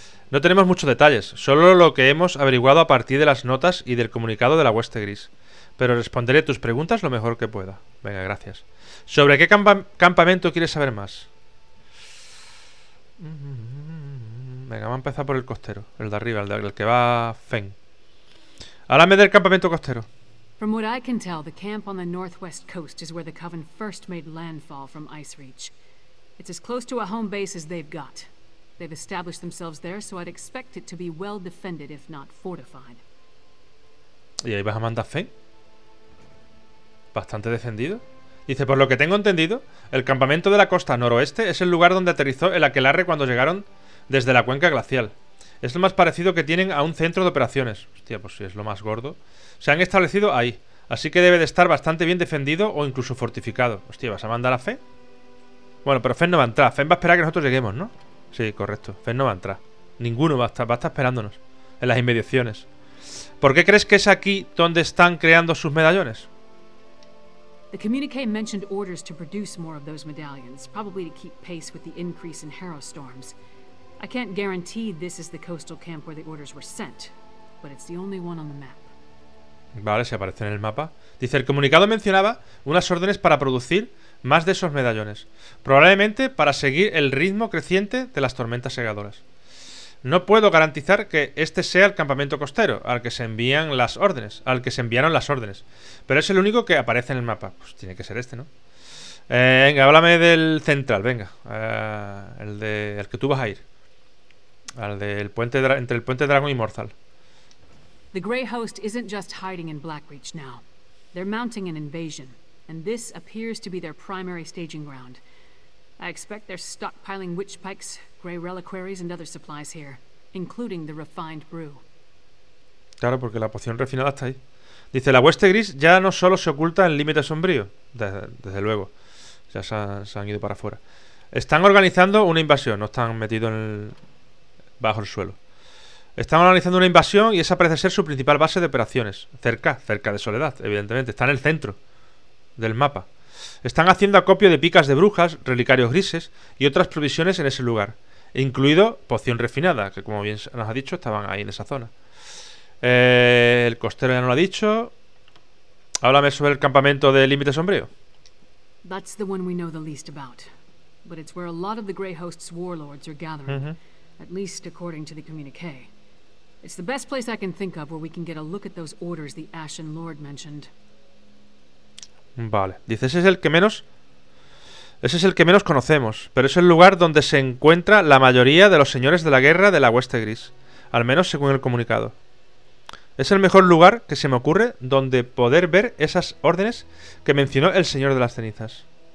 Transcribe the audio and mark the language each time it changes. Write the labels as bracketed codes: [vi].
[es] No tenemos muchos detalles, solo lo que hemos averiguado a partir de las notas y del comunicado de la Hueste Gris. Pero responderé tus preguntas lo mejor que pueda. Venga, gracias. ¿Sobre qué campamento quieres saber más? Venga, vamos a empezar por el costero. El de arriba, el que va a Feng. Háblame del campamento costero. [en] From what I can tell, the camp on the northwest coast is where the Coven first made landfall from Ice Reach. It's as close to a home base as they've got. They've established themselves there, so I'd expect it to be well defended, if not fortified. [es] ¿Y ahí vas a mandar Feng? Bastante defendido. Dice, por lo que tengo entendido, el campamento de la costa noroeste es el lugar donde aterrizó el Aquelarre cuando llegaron desde la cuenca glacial. Es lo más parecido que tienen a un centro de operaciones. Hostia, pues si es lo más gordo. Se han establecido ahí, así que debe de estar bastante bien defendido o incluso fortificado. Hostia, ¿vas a mandar a Fen? Bueno, pero Fen no va a entrar. Fen va a esperar a que nosotros lleguemos, ¿no? Sí, correcto. Fen no va a entrar. Ninguno va a estar esperándonos en las inmediaciones. ¿Por qué crees que es aquí donde están creando sus medallones? [en] The communique mentioned orders to produce more of those medallions, probably to keep pace with the increase in Harrow storms. I can't guarantee this is the coastal camp where the orders were sent, but it's the only one on the map. [es] Vale, se aparece en el mapa. Dice, el comunicado mencionaba unas órdenes para producir más de esos medallones, probablemente para seguir el ritmo creciente de las tormentas segadoras. No puedo garantizar que este sea el campamento costero al que se envían las órdenes, al que se enviaron las órdenes, pero es el único que aparece en el mapa. Pues tiene que ser este, ¿no? Venga, háblame del central, venga. El que tú vas a ir. Al del puente entre el puente Dragon y Morthal. [en] The Grey Host isn't just hiding in Blackreach now. They're mounting an invasion, and this appears to be their primary staging ground. I expect they're stockpiling witch pikes, grey reliquaries and other supplies here, including the refined brew. [es] Claro, porque la poción refinada está ahí. Dice, la hueste gris ya no solo se oculta en límite sombrío. Desde luego. Ya se han ido para afuera. Están organizando una invasión. No están metidos bajo el suelo. Están organizando una invasión y esa parece ser su principal base de operaciones. Cerca de Soledad, evidentemente. Está en el centro del mapa. Están haciendo acopio de picas de brujas, relicarios grises y otras provisiones en ese lugar, incluido poción refinada, que como bien nos ha dicho, estaban ahí en esa zona. El costero ya no lo ha dicho. Háblame sobre el campamento de Límite Sombrío. [en] That's the one we know the least about, but it's where a lot of the Grey Host's warlords are gathering, at least according to the communique. It's the best place I can think of where we can get a look at those orders the Ashen Lord mentioned. [es] Vale, dice, ese es el que menos conocemos, pero es el lugar donde se encuentra la mayoría de los señores de la guerra de la Hueste Gris, al menos según el comunicado. Es el mejor lugar que se me ocurre donde poder ver esas órdenes que mencionó el Señor de las Cenizas.